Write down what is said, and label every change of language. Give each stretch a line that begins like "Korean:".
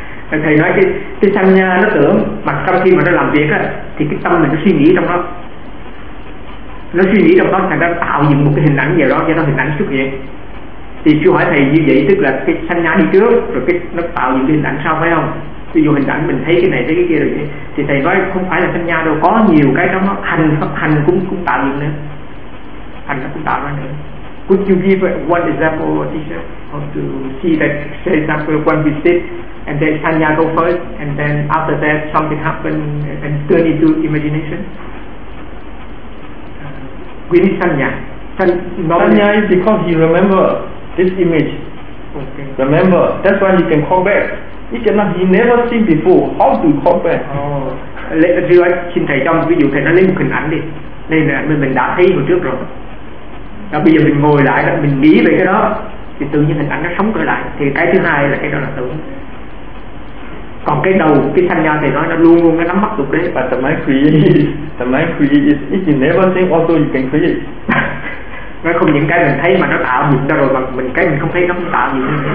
Vietnamese: Thầy nói cái samnya nó tưởng mà trong khi mà nó làm việc á thì cái tâm mình nó suy nghĩ trong đó, nó suy nghĩ trong đó, thành ra tạo dựng một cái hình ảnh gì đó cho nó hình ảnh xuất hiện. Thì chú hỏi thầy như vậy tức là cái samnya đi trước rồi cái nó tạo dựng cái hình ảnh sau phải không? Ví dụ hình ảnh mình thấy cái này thấy cái kia rồi thì thầy nói không phải là samnya đâu, có nhiều cái trong đó, hành cũng tạo dựng nữa, hành nó cũng tạo ra nữa.
English: Could you give one example, teacher, how to see that, say example, when we sit, and then Sanya go first, and then after that something happen and turn into imagination? We need Sanya. Sanya is because he remember this image. Okay. Remember, that's why he can call back. He cannot, he never seen before, how to call back? Oh. Let me ask,
Vietnamese: xin thầy trong ví dụ thầy nó lấy một hình ảnh đi. Đây là mình đã thấy hồi trước rồi. Đó, bây giờ mình ngồi lại đó, mình nghĩ về cái đó thì tự nhiên hình ảnh nó sống trở lại, thì cái thứ hai là cái đó là tưởng. Còn cái đầu cái thanh nha thì nói nó luôn luôn nó nắm bắt được đấy.
English: But the mind creates, if you never think also you can create.
Vietnamese: Nó không những cái mình thấy mà nó tạo dựng ra rồi, mà mình cái mình không thấy nó tạo gì nữa.